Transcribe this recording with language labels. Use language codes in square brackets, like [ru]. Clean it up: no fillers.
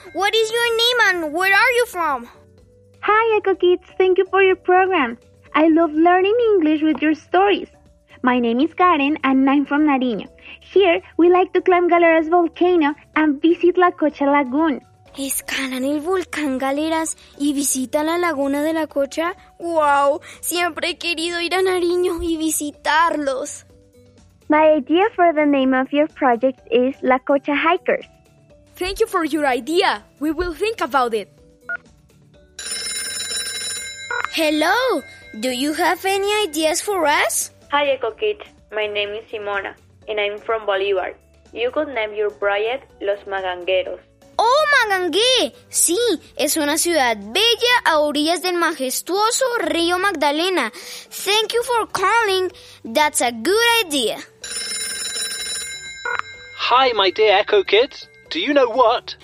[en] What is your name and where are you from? Hi, Echo Kids. Thank you for your program. I love learning English with your stories. My name is Karen and I'm from Nariño. Here, we like to climb Galeras Volcano and visit La Cocha Lagoon. [es] ¿Escalan el volcán Galeras y visitan la Laguna de La Cocha? ¡Wow! Siempre he querido ir a Nariño y visitarlos. [en] My idea for the name of your project is La Cocha Hikers. Thank you for your idea. We will think about it. Hello, do you have any ideas for us? Hi, Echo Kids. My name is Simona, and I'm from Bolívar. You could name your project Los Magangueros. [es] ¡Oh, Magangué! Sí, es una ciudad bella a orillas del majestuoso río Magdalena. [en] Thank you for calling. That's a good idea. Hi, my dear Echo Kids. Do you know what?